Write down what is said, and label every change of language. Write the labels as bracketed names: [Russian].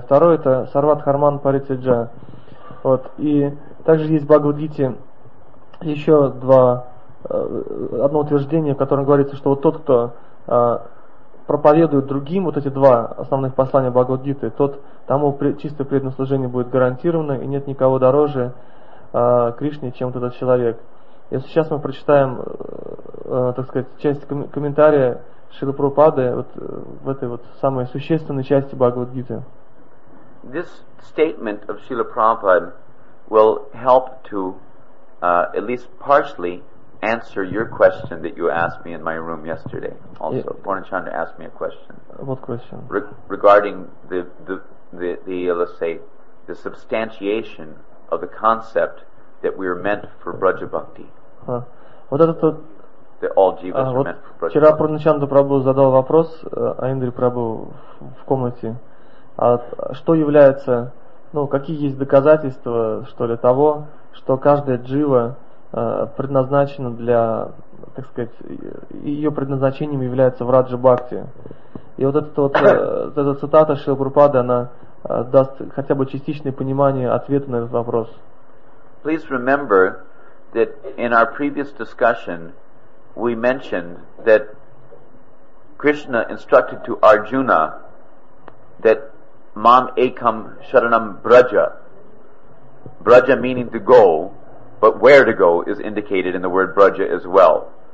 [Russian] Второй это [Sanskrit] «Сарват харман паритяджа». [Russian] Вот, и также есть в Бхагавад-гите еще два, одно утверждение, в котором говорится, что вот тот, кто проповедуют другим вот эти два основных послания Бхагавад-гиты, тот тому чистое преданное служение будет гарантировано, и нет никого дороже Кришне, чем вот этот человек. Если сейчас мы прочитаем, так сказать, часть комментария Шрилы Прабхупады вот в этой вот самой существенной части Бхагавад-гиты. [English] This statement of Srila Prabhupada will help to at least partially answer your question that you asked me in my room yesterday. Also, yeah. Purnachandra asked me a question. What question? Regarding let's say, the substantiation of the concept that we are meant for Braja Bhakti. [Russian] Вот это тот. [English] That all jivas are meant for Braja. [Russian] Вчера Пурначанда Прабху задал вопрос Аиндре Прабху в комнате. А что является, ну какие есть доказательства что ли того, что каждая джива предназначена для, так сказать, ее предназначением является Враджа Бхакти. И вот эта вот эта цитата Шрилы Прабхупады, она даст хотя бы частичное понимание ответа на этот вопрос. [English] Please remember that in our previous discussion we mentioned that Krishna instructed to Arjuna that [Sanskrit] Mam Ekam Sharanam Braja. [English] Braja meaning to go. But where to go is indicated in the word Braja as well.